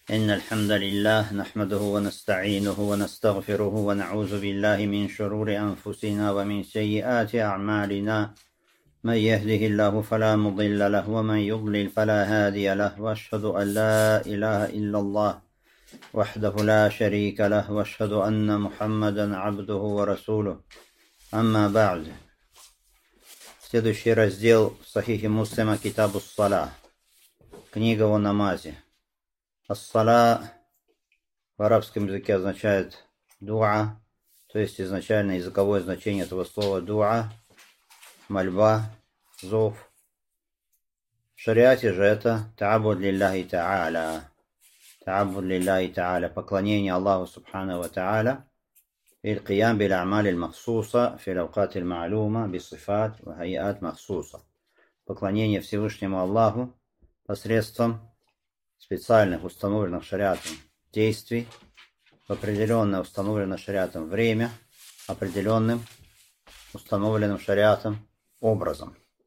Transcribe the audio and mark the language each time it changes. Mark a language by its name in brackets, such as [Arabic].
[Arabic] إن الحمد لله نحمده ونستعينه ونستغفره ونعوذ بالله من شرور أنفسنا ومن سيئات أعمالنا من يهده الله فلا مضل له ومن يضلل فلا هادي له وأشهد أن لا إله إلا الله وحده لا شريك له وأشهد أن محمدا عبده ورسوله أما بعد [Russian] Следующий раздел Сахихи Муслима Китабу Ас-Сала. Книга о намазе. Ас-Сала в арабском языке означает дуа, то есть изначально языковое значение этого слова дуа, мольба, зов. В шариате же это [Arabic] таабуд лиллахи тааля. Таабуд лиллахи тааля, [Russian] поклонение Аллаху субханаху ва тааля. [Arabic] القيام بالأعمال المخصوصة في الأوقات المعلومة بصفات وهيئات مخصوصة. [Russian] Поклонение Всевышнему Аллаху посредством специальных установленных шариатом действий в определенное установленное шариатом время, определенным установленным шариатом образом.